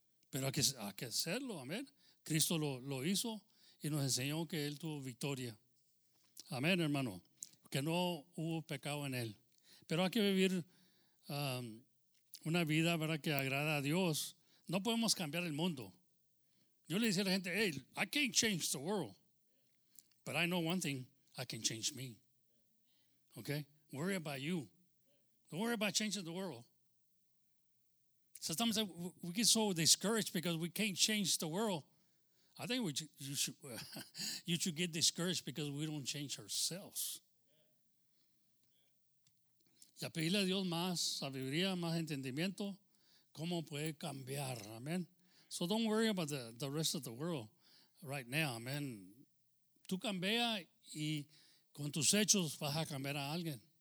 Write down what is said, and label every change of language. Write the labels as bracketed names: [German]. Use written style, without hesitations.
[Spanish] Pero hay que hacerlo. Amén. Cristo lo hizo y nos enseñó que Él tuvo victoria. Amén, hermano. Que no hubo pecado en él. Pero hay que vivir una vida, ¿verdad?, que agrada a Dios. No podemos cambiar el mundo. Yo le decía a la gente, [English] hey, I can't change the world, but I know one thing, I can change me. Okay? Worry about you. Don't worry about changing the world. Sometimes we get so discouraged because we can't change the world. I think you should get discouraged because we don't change ourselves. [Spanish] Y a pedirle a Dios más sabiduría, más entendimiento, cómo puede cambiar, amén. [English] So don't worry about the rest of the world right now, amén. [Spanish] Tú cambia y con tus hechos vas a cambiar a alguien.